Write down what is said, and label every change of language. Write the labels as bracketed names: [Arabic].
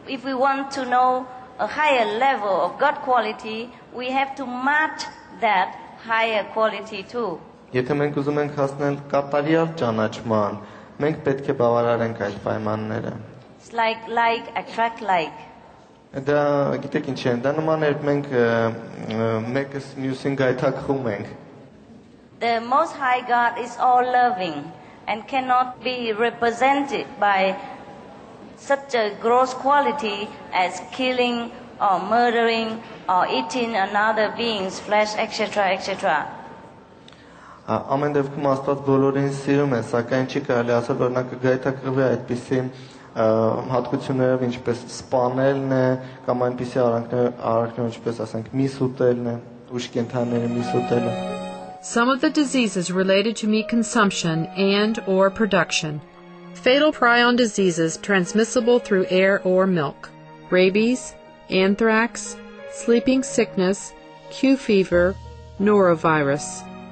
[English] If we want to know a higher level of God quality, we have to match that higher quality too. [Armenian] Եթե մենք ուզում ենք հասնել կատարյալ ճանաչման, մենք պետք է բավարարենք այդ պայմանները. [English] It's like attract like. [Armenian] Դա գիտեք ինչ է, դա նման է, մենք մեկս մյուսին գայթակղում ենք։ [English] The most high God is all loving and cannot be represented by such a gross quality as killing or murdering or eating another being's flesh, etc., etc. [Armenian] Ամեն դեպքում Աստված բոլորին սիրում է, սակայն չի կարելի ասել, որ նա կգայթակղվի այդպիսի հատկություններով, ինչպես սպանելն է, կամ այնպիսի արարքներ, ինչպես ասենք, միս ուտելն է, ուշ կենթաները միս ուտելը։ [English] Some of the diseases related to meat consumption and or production. Fatal prion diseases transmissible through air or milk. Rabies, anthrax, sleeping sickness, Q fever, norovirus.